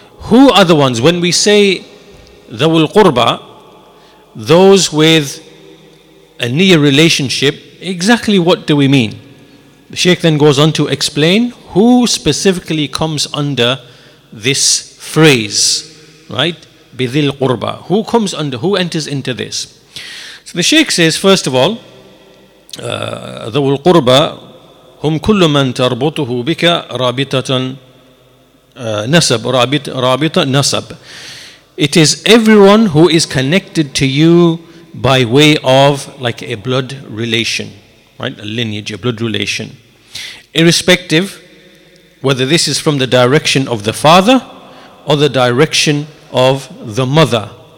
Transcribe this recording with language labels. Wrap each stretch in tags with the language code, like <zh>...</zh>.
<en>Who are the ones, when we say ذَوُ الْقُرْبَى, those with a near relationship, exactly what do we mean? The Shaykh then goes on to explain who specifically comes under this phrase, right? بِذِي الْقُرْبَى. Who comes under, who enters into this? So the Shaykh says, first of all,</en> <ar>ذَوُ الْقُرْبَى هم كل من تربطه بك رابطة نسب رابطة نسب.</ar> <en>It is everyone who is connected to you by way of like a blood relation, right? A lineage, a blood relation. Irrespective whether this is from the direction of the father or the direction of the mother.</en>